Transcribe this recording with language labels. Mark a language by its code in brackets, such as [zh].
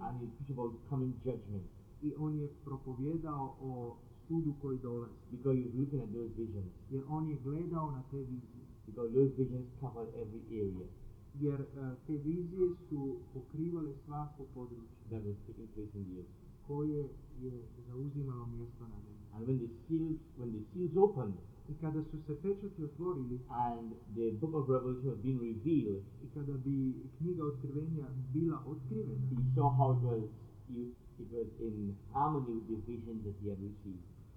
[en] And he preached about coming judgment. [sr] I on je propovedao o sudu koji dolazi. [en] Because he was looking at those visions. [sr] Jer on je gledao na te vizije. [en] Because those visions covered every area. [sr] Jer te vizije su pokrivale svako područje. [en] That was taking place in the earth. [sr] Koje je zauzimalo mjesto na njemu. [en] And when the seals opened, [sr] i kada su se pečati otvorili, [en] and the book of Revelation had been revealed, [sr] i kada bi knjiga Otkrivenja bila otkrivena, [en] he saw how it was in harmony with the visions that he had received.